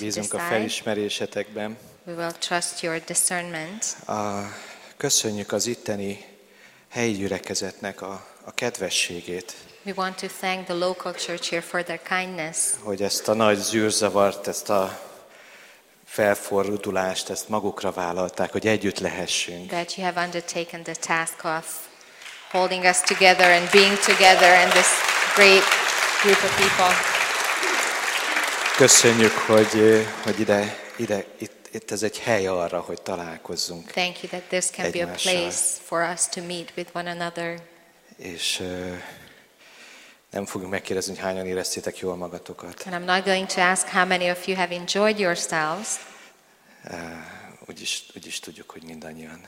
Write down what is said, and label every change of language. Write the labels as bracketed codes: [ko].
[hu] Bízunk a felismerésetekben. [en] We will trust your discernment. [hu] Köszönjük az itteni helyi gyülekezetnek a kedvességét. [en] We want to thank the local church here for their kindness. [hu] Hogy ezt a nagy zűrzavart, ezt a felfordulást, ezt magukra vállalták, hogy együtt lehessünk. [en] That you have undertaken the task of holding us together and being together in this great group of people. [hu] Köszönjük, hogy ide itt ez egy hely arra, hogy találkozzunk. [en] Thank you that this can be a place for us to meet with one another. [hu] És nem fogunk megkérdezni, hogy hányan éreztétek jól magatokat. [en] And I'm not going to ask how many of you have enjoyed yourselves. [hu] Úgyis tudjuk, hogy mindannyian.